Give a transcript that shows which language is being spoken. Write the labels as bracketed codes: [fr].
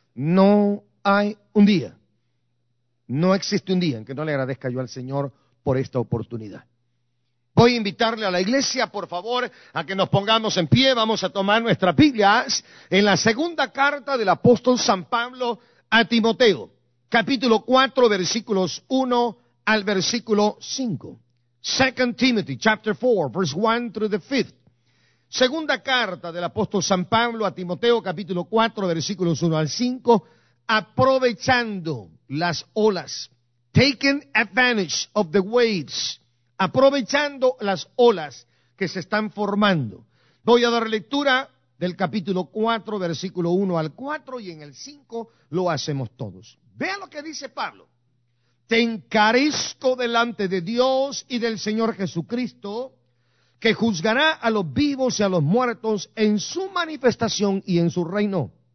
[es] No hay un día, no existe un día en que no le agradezca yo al Señor por esta oportunidad. Voy a invitarle a la iglesia, por favor, a que nos pongamos en pie. Vamos a tomar nuestras Biblias en la segunda carta del apóstol San Pablo a Timoteo, capítulo 4, versículos 1 al versículo 5. [en] 2 Timothy chapter 4, verse 1 through the 5th. [es] Segunda carta del apóstol San Pablo a Timoteo, capítulo 4, versículos 1 al 5. Aprovechando las olas. [en] Taking advantage of the waves. [es] Aprovechando las olas que se están formando. Voy a dar lectura del capítulo 4, versículo 1 al 4, y en el 5 lo hacemos todos. Vea lo que dice Pablo. Te encarezco delante de Dios y del Señor Jesucristo, que juzgará a los vivos y a los muertos en su manifestación y en su reino.